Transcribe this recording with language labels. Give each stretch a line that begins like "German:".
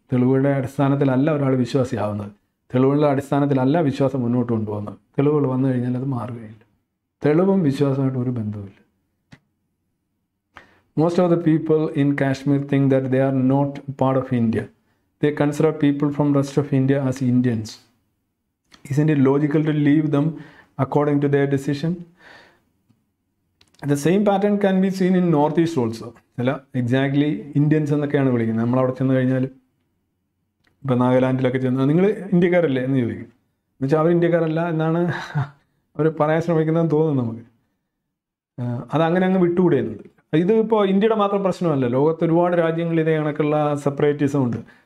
Malayalam: തെളിവുകളുടെ അടിസ്ഥാനത്തിലല്ല ഒരാൾ വിശ്വാസിയാവുന്നത്, തെളിവുകളുടെ അടിസ്ഥാനത്തിലല്ല വിശ്വാസം മുന്നോട്ട് കൊണ്ടുപോകുന്നത്. തെളിവുകൾ വന്നു കഴിഞ്ഞാൽ അത് മാറുകയില്ല, തെളിവും വിശ്വാസമായിട്ട് ഒരു ബന്ധവുമില്ല.
English: Most of the people in Kashmir think that they are not part of India, they consider people from rest of India as Indians. isn't it logical to leave them according to their decision? The same pattern can be seen in Northeast also.
Malayalam: Exactly, Indians എന്നൊക്കെയാണ് വിളിക്കുന്നത്. നമ്മൾ അവിടെ ചെന്ന് കഴിഞ്ഞാൽ ഇപ്പം നാഗാലാൻഡിലൊക്കെ ചെന്ന് നിങ്ങൾ ഇന്ത്യക്കാരല്ലേ എന്ന് ചോദിക്കും. എന്നുവെച്ചാൽ അവർ ഇന്ത്യക്കാരല്ല എന്നാണ് അവർ പറയാൻ ശ്രമിക്കുന്നതെന്ന് തോന്നുന്നു നമുക്ക്. അതങ്ങനെ അങ്ങ് വിട്ടുകൂടെ എന്നുണ്ട്. ഇതിപ്പോൾ ഇന്ത്യയുടെ മാത്രം പ്രശ്നമല്ല, ലോകത്ത് ഒരുപാട് രാജ്യങ്ങളിൽ ഇതേ കണക്കുള്ള സെപ്പറേറ്റിസം ഉണ്ട്.